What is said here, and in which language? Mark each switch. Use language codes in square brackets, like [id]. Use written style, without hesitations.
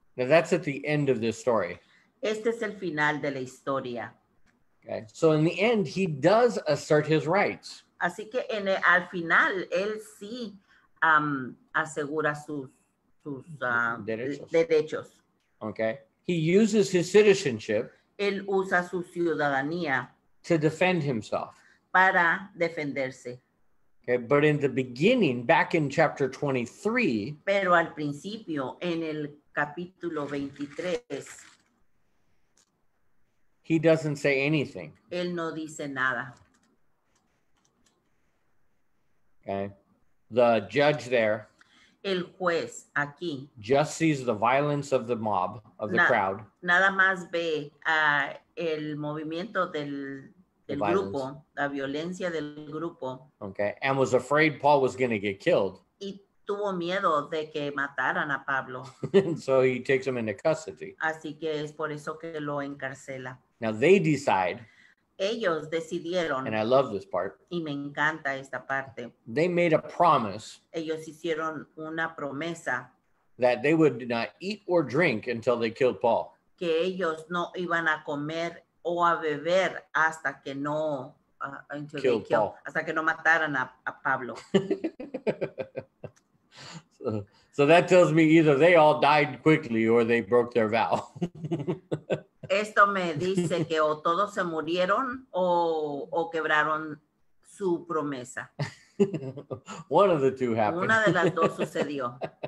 [en] Now that's at the end of this story. [es] Este es el final de la historia. [en] Okay. So in the end, he does assert his rights. [es] Así que en el, al final, él sí asegura sus derechos. [en] Okay. He uses his citizenship. [es] Él usa su ciudadanía. [en] To defend himself. [es] Para defenderse. [en] Okay, but in the beginning, back in chapter 23. [es] Pero al principio, en el capítulo 23. [en] He doesn't say anything. [es] Él no dice nada. [en] Okay. The judge there. [es] El juez aquí. [en] Just sees the violence of the mob, of the crowd. [es] Nada más ve el movimiento del... El grupo, la violencia del grupo. [en] Okay, and was afraid Paul was going to get killed. [es] Y tuvo miedo de que mataran a Pablo. [en] So he takes him into custody. [es] Así que es por eso que lo encarcela. [en] Now they decide. [es] Ellos decidieron. [en] And I love this part. [es] Y me encanta esta parte. [en] They made a promise. [es] Ellos hicieron una promesa. [en] That they would not eat or drink until they killed Paul. [es] Que ellos no iban a comer o a beber hasta que no hasta que no mataran a Pablo. [en] So that tells me either they all died quickly or they broke their vow. [es] Esto me dice que o todos se murieron o quebraron su promesa. [en] One of the two happened. [es] Una de las dos sucedió.